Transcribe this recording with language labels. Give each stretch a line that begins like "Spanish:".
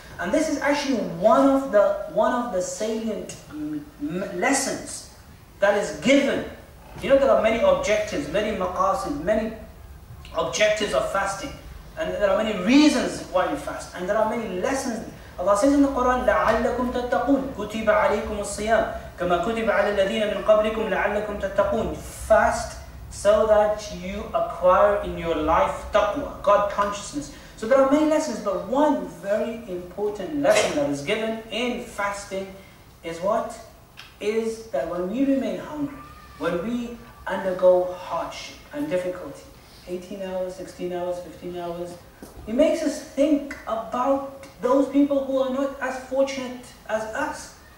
English: And this is actually one of the salient lessons that is given. You know, there are many objectives, many maqasid, many objectives of fasting. And there are many reasons why you fast. And there are many lessons. Allah says in the Quran,
Arabic: لَعَلَّكُمْ تَتَّقُونَ كُتِبَ عَلَيْكُمُ الصِّيَامِ كَمَا كُتِبَ عَلَى الَّذِينَ مِنْ قَبْلِكُمْ لَعَلَّكُمْ تَتَّقُونَ.
English: Fast so that you acquire in your life taqwa, God consciousness. So there are many lessons, but one very important lesson that is given in fasting is what? Is that when we remain hungry, when we undergo hardship and difficulty, 18 hours, 16 hours, 15 hours, it makes us think about those people who are not as fortunate as us.